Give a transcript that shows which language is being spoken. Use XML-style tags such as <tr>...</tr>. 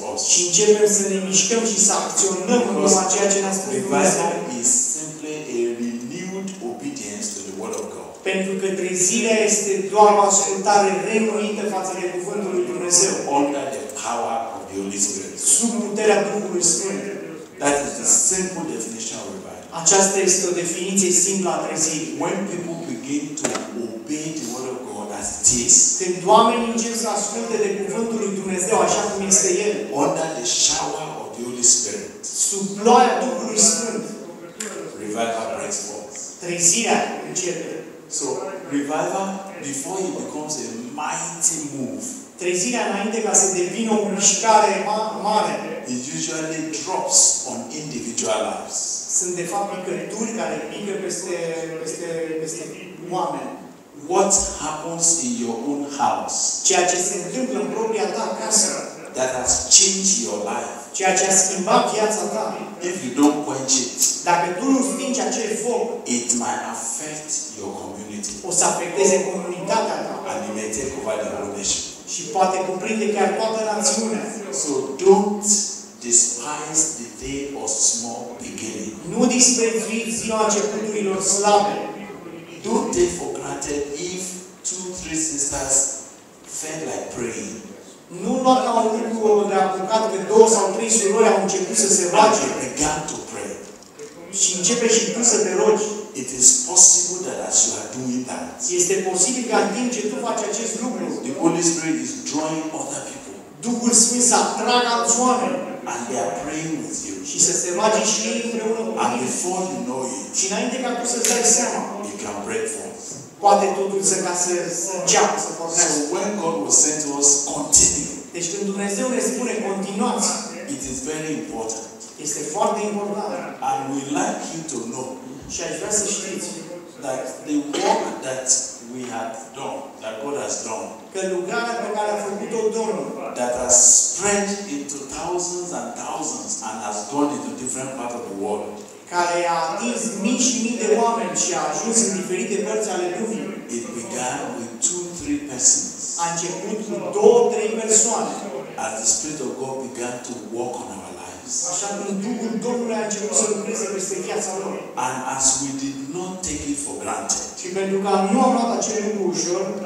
<ro>Și începem să ne mișcăm și să acționăm în urma ceea ce ne-a spus Dumnezeu.</ro> <en>Is simply a renewed obedience to the word of God.</en> <ro>Pentru că trezirea este doar o ascultare renuită față de cuvântul lui Dumnezeu.</ro> <en>Under the power of the Holy Spirit.</en> <ro>Sub puterea Duhului Sfânt.</ro> <en>That is the simple definition of revival.</en> <ro>Aceasta este o definiție simplă a trezirii.</ro> <en>When people begin to obey the word of God as it is.</en> <ro>Când oamenii încep să asculte de cuvântul lui Dumnezeu așa cum este el.</ro> <en>Under the shower of the Holy Spirit.</en> <ro>Sub ploaia Duhului Sfânt.</ro> <en>Revival breaks forth.</en> <ro>Trezirea începe.</ro> <en>So revival before it becomes a mighty move.</en> <ro>Trezirea înainte ca să devină o mișcare mare.</ro> <en>It usually drops on individual lives.</en> <ro>Sunt de fapt picături care pică peste oameni.</ro> <en>What happens in your own house?</en> <ro>Ceea ce se întâmplă în propria ta casă.</ro> <en>That has changed your life.</en> <ro>Ceea ce a schimbat viața ta.</ro> <en>If you don't quench it.</en> <ro>Dacă tu nu stingi acel foc.</ro> <en>It might affect your community.</en> <ro>O să afecteze comunitatea ta.</ro> <en>And it may take over the whole nation.</en> <ro>Și poate cuprinde chiar toată națiunea.</ro> <en>So don't despise the day of small beginning.</en> <ro>Nu disprețui ziua începuturilor slabe.</ro> <en>Don't take for granted if two, three sisters felt like praying.</en> <ro>Nu lua ca un lucru de apucat că două sau trei surori au început să se roage.</ro> <en>And began to pray.</en> <ro>Și începe și tu să te rogi.</ro> <en>It is possible that as you are doing that.</en> <ro>Este posibil că în timp ce tu faci acest lucru.</ro> <en>The Holy Spirit is drawing other people.</en> <ro>Duhul Sfânt să atragă alți oameni.</ro> <en>And they are praying with you.</en> <ro>Și să se roage și ei împreună cu</ro> <en>tine. Before you know it.</en> <ro>Și înainte ca tu să-ți dai seama.</ro> <en>It can break forth.</en> <ro>Poate totul să ca să înceapă să pornească.</ro> <en>So when God was sent to us, continue.</en> <ro>Deci când Dumnezeu ne spune continuați.</ro> <en>It is very important.</en> <ro>Este foarte important.</ro> <en>And we like you to know.</en> <ro>Și aș vrea să știți</ro> <en>that the work that we have done, that God has done,</en> <ro>că lucrarea pe care a făcut-o Domnul,</ro> <en>that has spread into thousands and thousands and has gone into different parts of the world,</en> <ro>care a atins mii și mii de oameni și a ajuns în diferite părți ale lumii,</ro> <en>it began with two, three persons.</en> <ro>A început cu două, trei persoane.</ro> <en>As the Spirit of God began to work on our lives.</en> <ro>Așa cum Duhul Domnului a început să lucreze peste viața lor.</ro> <en>And as we did not take it for granted.</en> <ro>Și pentru că nu am luat acel lucru ușor.</ro>